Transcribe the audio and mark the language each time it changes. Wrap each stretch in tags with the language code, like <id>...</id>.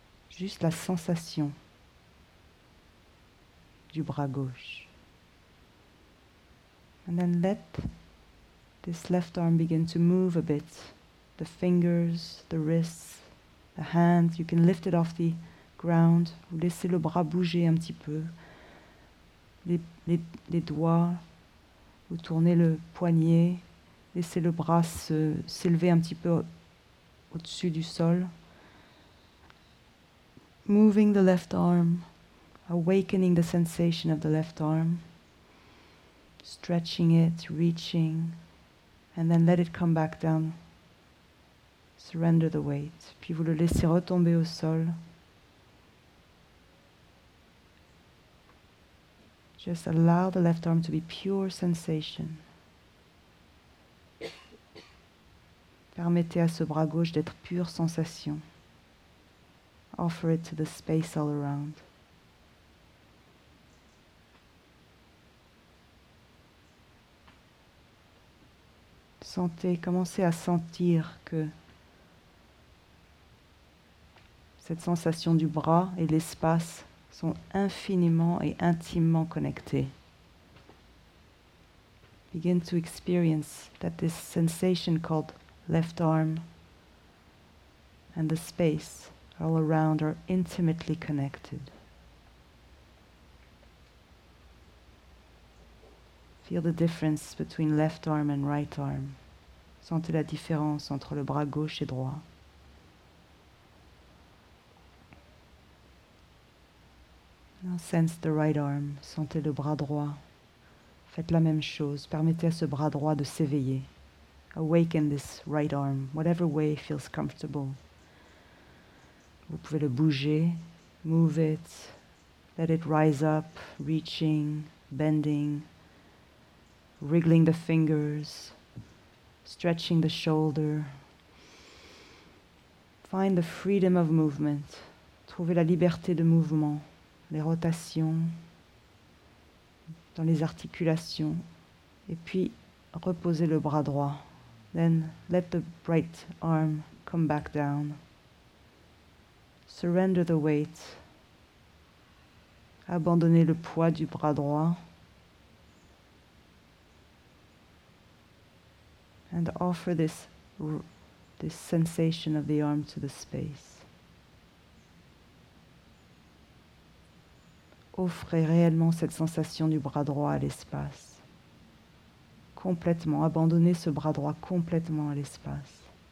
<fr>Juste la sensation du bras gauche.</fr> <en>And then let this left arm begin to move a bit. The fingers, the wrists, the hands, you can lift it off the ground.</en> <fr>Vous laissez le bras bouger un petit peu. Les doigts, vous tournez le poignet, laissez le bras s'élever un petit peu au-dessus du sol.</fr> <en>Moving the left arm, awakening the sensation of the left arm, stretching it, reaching, and then let it come back down. Surrender the weight,</en> <fr>puis vous le laissez retomber au sol.</fr> <en>Just allow the left arm to be pure sensation.</en> <fr>Permettez à ce bras gauche d'être pure sensation.</fr> <en>Offer it to the space all around.</en> <fr>Sentez, commencez à sentir que cette sensation du bras et l'espace sont infiniment et intimement connectés.</fr> <en>Begin to experience that this sensation called left arm and the space all around are intimately connected. Feel the difference between left arm and right arm.</en> <fr>Sentez la différence entre le bras gauche et droit.</fr> <en>Now sense the right arm,</en> <fr>sentez le bras droit. Faites la même chose, permettez à ce bras droit de s'éveiller.</fr> <en>Awaken this right arm, whatever way feels comfortable.</en> <fr>Vous pouvez le bouger,</fr> <en>move it, let it rise up, reaching, bending, wriggling the fingers, stretching the shoulder. Find the freedom of movement.</en> <fr>Trouver la liberté de mouvement, les rotations, dans les articulations. Et puis, reposer le bras droit.</fr> <en>Then, let the right arm come back down. Surrender the weight.</en> <fr>Abandonner le poids du bras droit.</fr> <en>And offer this sensation of the arm to the space.</en> <fr>Offrez réellement cette sensation du bras droit à l'espace. Complètement, abandonnez ce bras droit complètement à l'espace.</fr>